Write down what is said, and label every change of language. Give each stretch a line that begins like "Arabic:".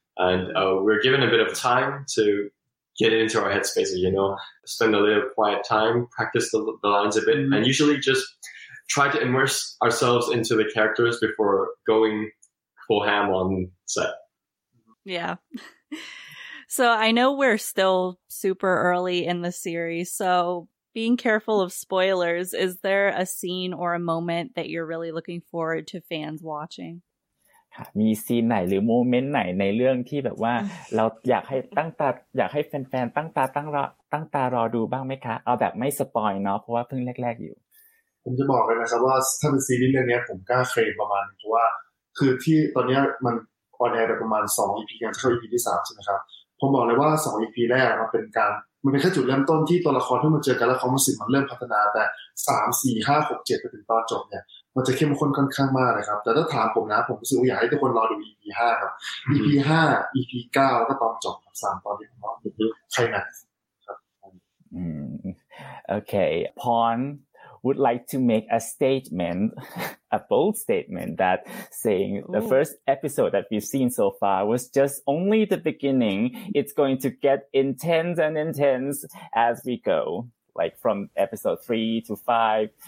English: And we're given a bit of time to get into our headspace, you know, spend a little quiet time, practice the lines a bit, mm-hmm. and usually just try to immerse ourselves into the characters before going full ham on set. Yeah. So I know we're still super early in the series, so being careful of spoilers, is there a scene or a moment that you're really looking forward to fans watching?
Thai: มีซีนไหนหรือโมเมนต์ไหนในเรื่องที่แบบว่าเราอยากให้ตั้งตาอยากให้แฟนๆตั้งตารอดูบ้างไหมคะเอาแบบไม่สปอยเนาะเพราะว่าเพิ่งแรกๆอยู่ ผมจะบอกเลยนะครับว่าถ้าเป็นซีรีส์เรื่องนี้ผมกล้าเคลมประมาณเพราะว่าคือที่ตอนนี้มันออนแอร์ไปประมาณ2 EP กันเข้า EP ที่3ใช่ไหมครับผมบอกเลยว่า2 EP แรกมันเป็นแค่จุดเริ่มต้นที่ตัวละครที่มันเจอกันแล้วความรู้สึกมันเริ่มพัฒนาแต่3 4 5 6 7ไปถึงตอนจบเนี่ยมันจะเข้มข้นค่อนข้างมากเลยครับแต่ถ้าถามผมนะผมรู้สึกว่าอยากให้ทุกคนรอดู EP 5ครับ EP 5 EP 9ก็ตอนจบครับ3ตอนที่ผมบอกใช่ไหมครับ โอเคพอน
English: would like to make a statement, a bold statement, that saying the first episode that we've seen so far was just only the beginning. It's going to get intense and intense as we go, like from episode 3 to 5.